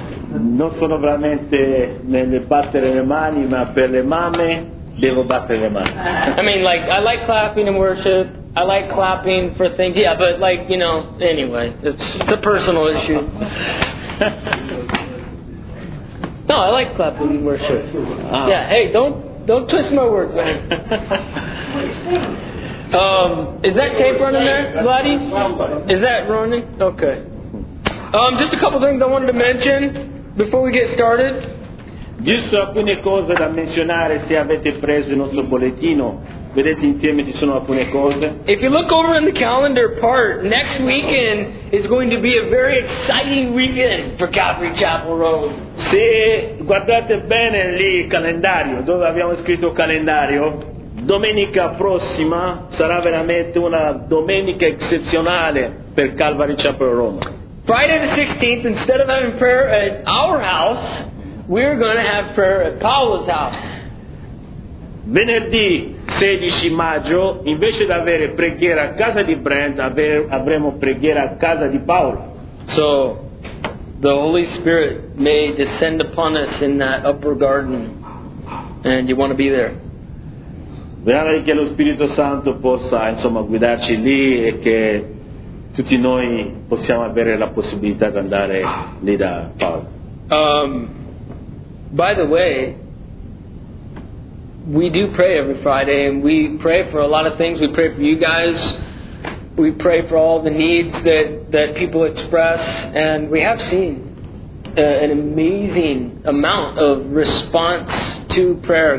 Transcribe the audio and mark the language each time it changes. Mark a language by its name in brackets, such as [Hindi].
[Italian] Non sono veramente nel battere le mani, ma per le mamme devo battere le mani. [English] I mean, like, I like clapping in worship. I like clapping for things, yeah, but like, you know, anyway, it's a personal issue. No, I like clapping in worship. Yeah, hey, don't twist my words, man. Is that tape running there, Vladdy? Is that running? Okay. Just a couple things I wanted to mention before we get started. [Italian] Giusto alcune cose da menzionare se avete preso il nostro bollettino. Vedete, insieme ci sono alcune cose. [English] If you look over in the calendar part, next weekend is going to be a very exciting weekend for Calvary Chapel Road. [Italian] Se guardate bene lì il calendario, dove abbiamo scritto calendario, domenica prossima sarà veramente una domenica eccezionale per Calvary Chapel Road. [English] Friday the 16th, instead of having prayer at our house, we're going to have prayer at Paolo's house. [Italian] Venerdì 16 maggio, invece di avere preghiera a casa di Brent, avremo preghiera a casa di Paolo. [English] So, the Holy Spirit may descend upon us in that upper garden, and you want to be there. [Italian] Vediamo che lo Spirito Santo possa, insomma, guidarci lì e che tutti noi possiamo avere la possibilità di andare lì da Paolo. [English] By the way, we do pray every Friday, and we pray for a lot of things. We pray for you guys. We pray for all the needs that people express, and we have seen an amazing amount of response to prayer.